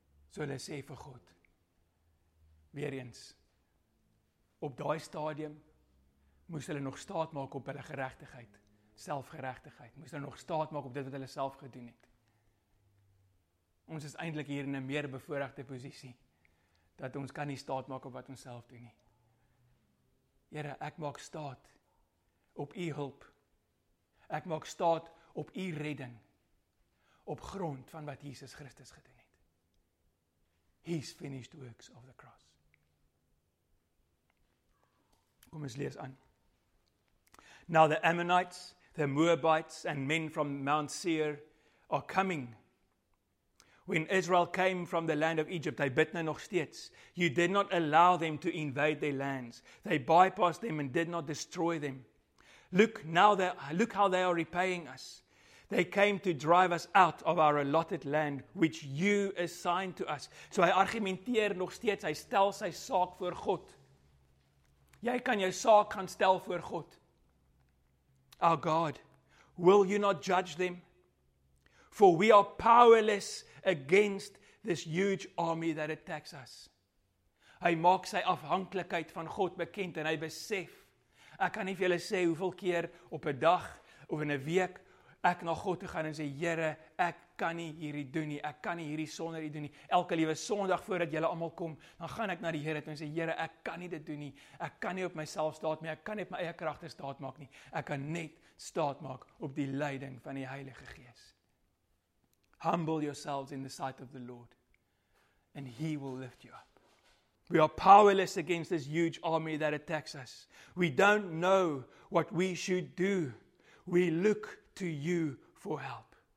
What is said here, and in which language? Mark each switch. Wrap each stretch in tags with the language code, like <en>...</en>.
<af>So hulle sê vir God, weer eens, op daai stadium, moes hulle nog staat maak op hulle geregtigheid, selfgeregtigheid, moes hulle nog staat maak op dit wat hulle self gedoen het. Ons is eindelijk hier in een meer bevoorregte posisie, dat ons kan nie staat maak op wat ons self doen nie. Here, ek maak staat op u hulp, ek maak staat op u redding, op grond van wat Jesus Christus gedoen het.</af> <en>His finished works of the cross.</en> <af>Kom ons lees aan.</af> <en>Now the Ammonites, the Moabites and men from Mount Seir are coming. When Israel came from the land of Egypt, they bit</en> <af>nog steeds.</af> <en>You did not allow them to invade their lands. They bypassed them and did not destroy them. Look how they are repaying us. They came to drive us out of our allotted land, which you assigned to us.</en> <af>So hy argumenteer nog steeds, hy stel sy saak voor God. Jy kan jou saak gaan stel voor God.</af> <en>Our God, will you not judge them? For we are powerless against this huge army that attacks us.</en> <af>Hy maak sy afhanklikheid van God bekend en hy besef, ek kan nie vir julle sê hoeveel keer op 'n dag of in 'n week ek na God toe gaan en sê, Here, ek kan nie hierdie doen nie, ek kan nie hierdie sonder u doen nie. Elke liewe Sondag voordat julle almal kom, dan gaan ek na die Here toe en sê, Here, ek kan nie dit doen nie. Ek kan nie op myself staat nie, ek kan nie op my eie kragte staat maak nie. Ek kan net staat maak op die leiding van die Heilige Gees.</af> <en>Humble yourselves in the sight of the Lord, and he will lift you up. We are powerless against this huge army that attacks us. We don't know what we should do. We look to you for help.</en>